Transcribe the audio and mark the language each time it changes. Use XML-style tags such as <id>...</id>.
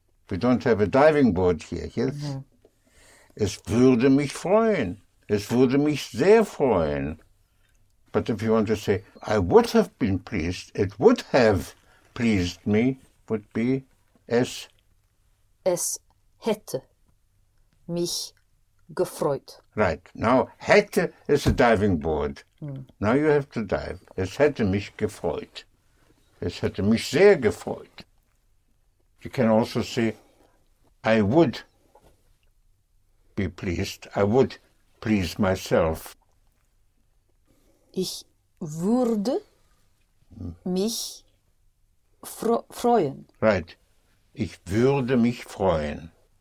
<en>We don't have a diving board here, yes? No.</en> <de>Es würde mich freuen. Es würde mich sehr freuen.</de> <en>But if you want to say, I would have been pleased, it would have pleased me, would be es.</en> <de>Es hätte. mich gefreut.</de> <en>Right. Now, hätte is a diving board. Mm. Now you have to dive.</en> <de>Es hätte mich gefreut. Es hätte mich sehr gefreut.</de> <en>You can also say, I would be pleased. I would please myself.</en> <de>Ich würde mich freuen. Right. Ich würde mich freuen.</de>